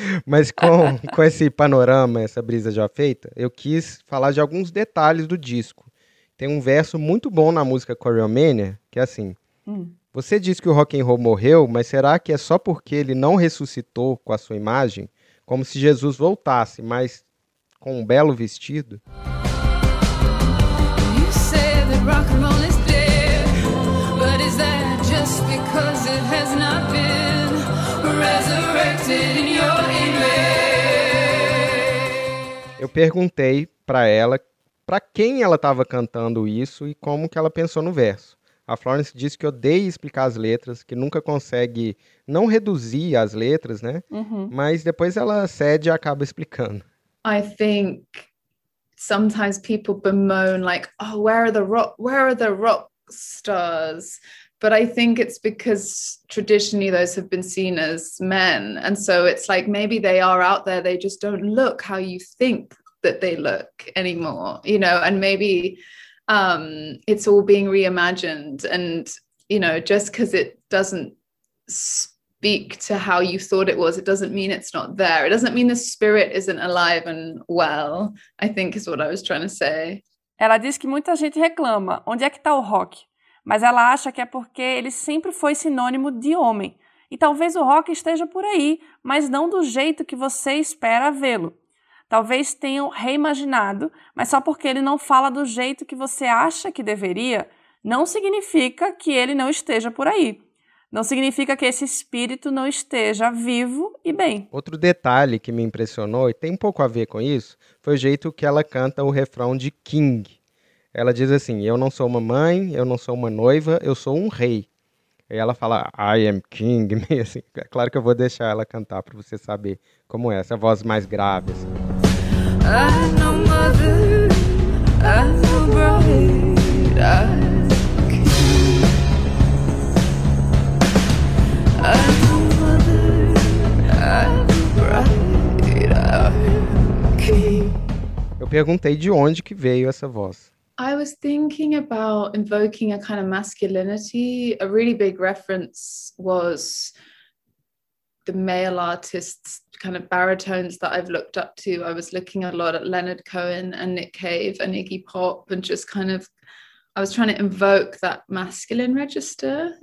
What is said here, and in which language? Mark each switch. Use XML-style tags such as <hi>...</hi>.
<pt>Mas com esse panorama, essa brisa já feita, eu quis falar de alguns detalhes do disco. Tem um verso muito bom na música Choreomania, que é assim... Você disse que o rock and roll morreu, mas será que é só porque ele não ressuscitou com a sua imagem? Como se Jesus voltasse, mas com um belo vestido?</pt> <en>You say that rock and roll is dead, but is that just because it has not been resurrected in your image?</en> <pt>Eu perguntei para ela para quem ela estava cantando isso e como que ela pensou no verso. A Florence disse que odeia explicar as letras, que nunca consegue não reduzir as letras, né? Mas depois ela cede e acaba explicando.</pt> <en>I think sometimes people bemoan like, oh, where are the rock stars? But I think it's because traditionally those have been seen as men. And so it's like maybe they are out there, they just don't look how you think that they look anymore, you know, and maybe it's all being reimagined, and you know, just because it doesn't speak to how you thought it was, it doesn't mean it's not there. It doesn't mean the spirit isn't alive and well, I think is what I was trying to say.</en> <pt>Ela diz que muita gente reclama, onde é que tá o rock? Mas ela acha que é porque ele sempre foi sinônimo de homem. E talvez o rock esteja por aí, mas não do jeito que você espera vê-lo. Talvez tenham reimaginado, mas só porque ele não fala do jeito que você acha que deveria, não significa que ele não esteja por aí. Não significa que esse espírito não esteja vivo e bem. Outro detalhe que me impressionou, e tem um pouco a ver com isso, foi o jeito que ela canta o refrão de King. Ela diz assim, eu não sou uma mãe, eu não sou uma noiva, eu sou um rei. E ela fala,</pt> <en>I am King,</en> <pt>meio assim. É claro que eu vou deixar ela cantar para você saber como é, essa voz mais grave. Assim.</pt> <en>I'm no mother, I'm no bride, I'm King. I'm no mother, I'm no bride, I'm King.</en> <pt>Eu perguntei de onde que veio essa voz.</pt> <en>I was thinking about invoking a kind of masculinity. A really big reference was the male artists, kind of baritones that I've looked up to. I was looking a lot at Leonard Cohen and Nick Cave and Iggy Pop, and just kind of, I was trying to invoke that masculine register.</en>